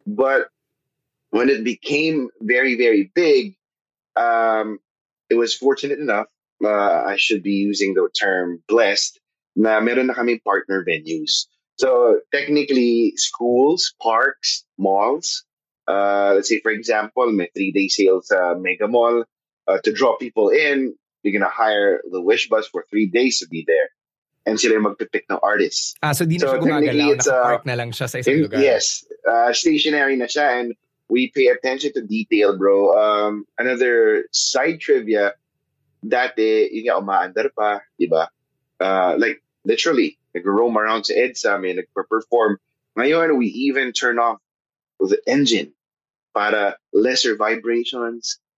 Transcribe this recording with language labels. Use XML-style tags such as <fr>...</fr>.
<en>But when it became very, very big, it was fortunate enough, I should be using the term blessed,</en> <tl>na meron na kami</tl> <en>partner venues. So technically, schools, parks, malls, let's say, for example, my 3-day sales mega mall to draw people in. You're gonna hire the Wish Bus for 3 days to be there, and</en> <tl>sila magpipick ng artists. Ah, so di na siya gumagalaw, naka-park na lang siya sa isang lugar.</tl> <en>Yes, stationary</en> <tl>na siya,</tl> <en>and we pay attention to detail, bro. Another side trivia:</en> <tl>dati yung umaandar pa, diba?</tl> <en>Like literally,</en> <tl>nag-roam around sa EDSA, may nag-perform. Ngayon,</tl> <en>we even turn off the engine para lesser vibrations.</en>